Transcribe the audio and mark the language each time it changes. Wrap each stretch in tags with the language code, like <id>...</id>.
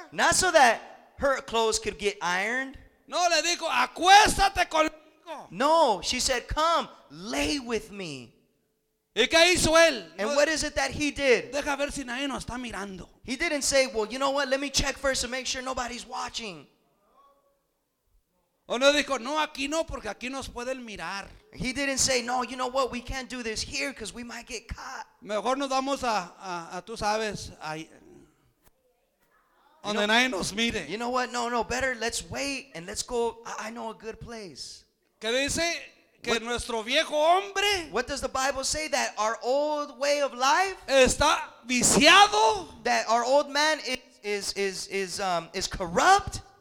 <en>Not so that her clothes could get ironed.</en> <es>No, le dijo, acuéstate conmigo.</es> <en>No, she said, come, lay with me.</en> <es>¿Y qué hizo él?</es> <en>And no, what is it that he did?</en> <es>Deja ver si nadie nos está mirando.</es> <en>He didn't say, well, you know what, let me check first and make sure nobody's watching.</en> <es>O no dijo, no, aquí no, porque aquí nos pueden mirar.</es> <en>He didn't say, no, you know what, we can't do this here because we might get caught.</en> <es>Mejor nos vamos a tú sabes, a donde nadie nos mire.</es> <en>You know what, no, no, better let's wait and let's go, I know a good place.</en> <es>¿Qué dice? Que nuestro viejo hombre.</es> <en>What does the Bible say? That our old way of life.</en> <es>Está viciado.</es> <en>That our old man is corrupt.</en>